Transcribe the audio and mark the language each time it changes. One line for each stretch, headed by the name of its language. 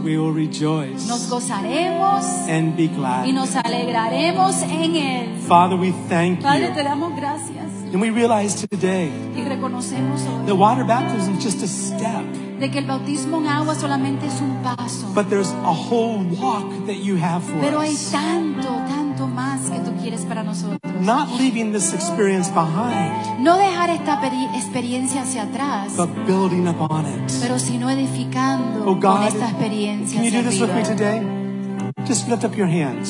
English: We will rejoice.
Spanish: Nos gozaremos.
English: And be glad.
Spanish: Y nos alegraremos en él.
English: Father, we thank you.
Spanish: Padre, te damos gracias.
English: And we realize today.
Spanish: Y reconocemos hoy.
English: The water baptism is just a step.
Spanish: De que el bautismo en agua solamente es un paso.
English: But there's a whole walk that you have for us.
Spanish: Pero hay tanto, tanto más que tú quieres para nosotros.
English: Not leaving this experience behind.
Spanish: No dejar esta experiencia hacia atrás.
English: But building upon it.
Spanish: Pero sino edificando
English: oh God,
Spanish: con esta experiencia.
English: Can you do this with me today? Just lift up your hands.